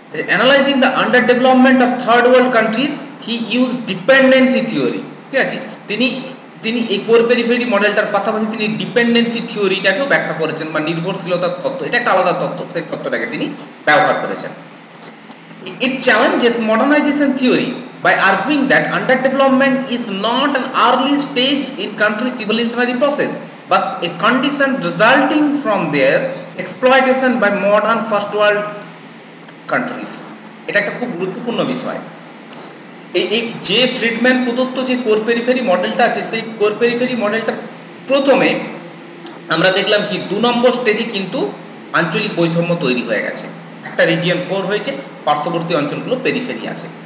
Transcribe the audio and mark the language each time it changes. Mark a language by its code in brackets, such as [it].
[en] analysing the under development of third world countries he use dependency theory, [bn] ঠিক আছে, তিনি এই কোর পেরিফেরি মডেলটার পাশাপাশি তিনি ডিপেন্ডেন্সি থিওরিটাকেও ব্যাখ্যা করেছেন বা নির্ভরশীলতার তত্ত্ব, এটা একটা আলাদা তত্ত্ব, সেই তত্ত্বটাকে তিনি ব্যবহার করেছেন। [en] It challenges modernisation theory by arguing that underdevelopment is not an early stage in country civilizationary process but a condition resulting from their exploitation by modern first world countries. [bn] এটা একটা খুব গুরুত্বপূর্ণ বিষয়। এই যে ফ্রিডম্যান প্রদত্ত যে কোর পেরিফেরি মডেলটা আছে, সেই কোর পেরিফেরি মডেলটা প্রথমে আমরা দেখলাম কি দু নম্বর স্টেজে কিন্তু আঞ্চলিক বৈষম্য তৈরি হয়ে গেছে। একটা রিজিয়ন কোর হয়েছে, পার্শ্ববর্তী অঞ্চলগুলো পেরিফেরি আছে।